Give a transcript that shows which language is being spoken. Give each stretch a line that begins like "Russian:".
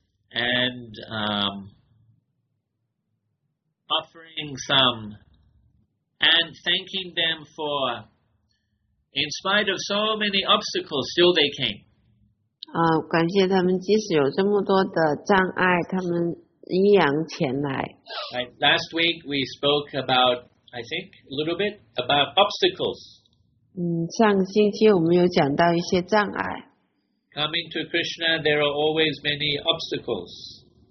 English: and offering some, and thanking them for, in spite of so many obstacles, still they came.
Chinese: 感谢他们即使有这么多的障碍，他们
English: Right. Last week we spoke about, I think, a little bit about obstacles.
Chinese: 上星期我们有讲到一些障碍。
English: Coming to Krishna, there are always many obstacles.